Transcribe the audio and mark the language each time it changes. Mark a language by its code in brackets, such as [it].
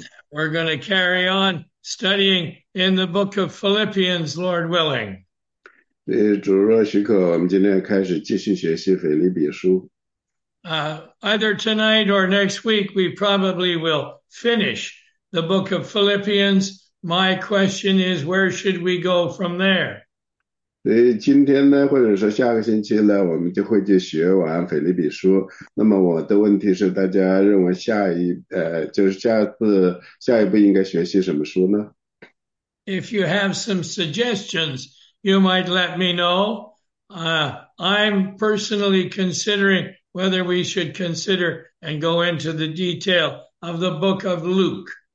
[en] We're going to carry on studying in the book of Philippians, Lord willing. [zh] 对，主若许可，我们今天开始继续学习腓立比书。 [en] Either tonight or next week, we probably will finish the book of Philippians. My question is, where should we go from there? [zh] 所以今天呢，或者说下个星期呢，我们就会去学完腓立比书。那么我的问题是，大家认为下一步应该学习什么书呢？ [en] If you have some suggestions, you might let me know. I'm personally considering whether we should consider and go into the detail of the book of Luke.